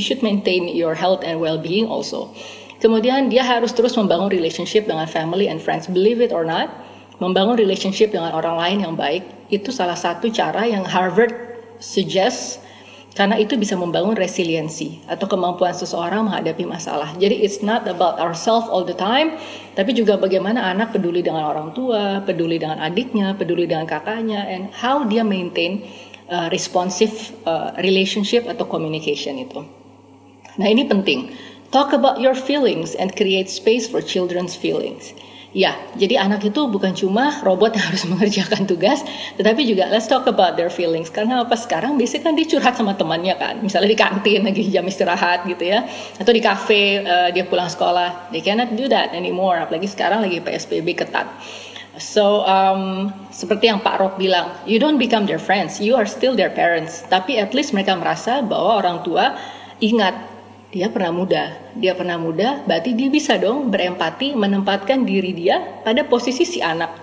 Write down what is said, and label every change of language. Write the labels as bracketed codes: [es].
[en] You should maintain your health and well-being also. [id] Kemudian dia harus terus membangun relationship dengan [en] family and friends. Believe it or not, [id] membangun relationship dengan orang lain yang baik itu salah satu cara yang Harvard suggests. Karena itu bisa membangun resiliensi atau kemampuan seseorang menghadapi masalah. Jadi [en] it's not about ourselves all the time, [id] tapi juga bagaimana anak peduli dengan orang tua, peduli dengan adiknya, peduli dengan kakaknya, and how dia maintain responsive relationship atau communication itu. Nah, ini penting. [en] Talk about your feelings and create space for children's feelings. [id] Ya, jadi anak itu bukan cuma robot yang harus mengerjakan tugas, tetapi juga [en] let's talk about their feelings. [id] Karena apa, sekarang biasanya kan dia curhat sama temannya kan, misalnya di kantin lagi jam istirahat gitu ya, atau di kafe dia pulang sekolah. [en] They cannot do that anymore, [id] apalagi sekarang lagi PSBB ketat. [en] So, [id] seperti yang Pak Rob bilang, [en] you don't become their friends, you are still their parents. Tapi at least [id] mereka merasa bahwa orang tua ingat dia pernah muda. Dia pernah muda, berarti dia bisa dong berempati menempatkan diri dia pada posisi si anak.